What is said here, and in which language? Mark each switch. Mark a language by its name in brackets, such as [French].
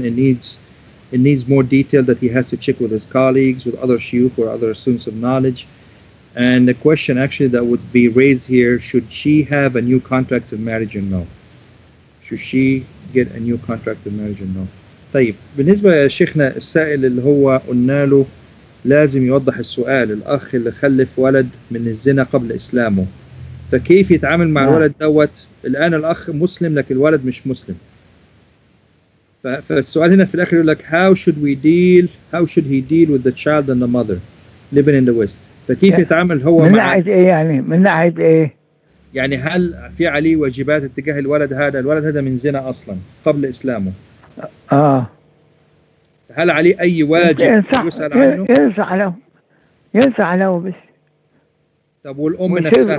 [English] It needs more detail that he has to check with his colleagues, with other shuyukh or other students of knowledge. And the question actually that would be raised here, should she have a new contract of marriage or no? Should she get a new contract of marriage or no? [Arabic] طيب بالنسبة يا شيخنا السائل اللي هو قلنا له لازم يوضح السؤال، الأخ اللي خلف ولد من الزنا قبل إسلامه، فكيف يتعامل مع الولد دوت؟ الآن الأخ مسلم لكن الولد مش مسلم. فالسؤال هنا في الآخر يقول لك [English] how should he deal with the child and the mother living in the West؟ [Arabic] فكيف يتعامل هو من ناحية إيه يعني؟ من ناحية إيه؟ يعني هل في عليه واجبات اتجاه الولد هذا؟ الولد هذا من زنا أصلا قبل إسلامه. هل عليه أي واجب يسأل عنه؟ ينصح له بس. طب والأم نفسها؟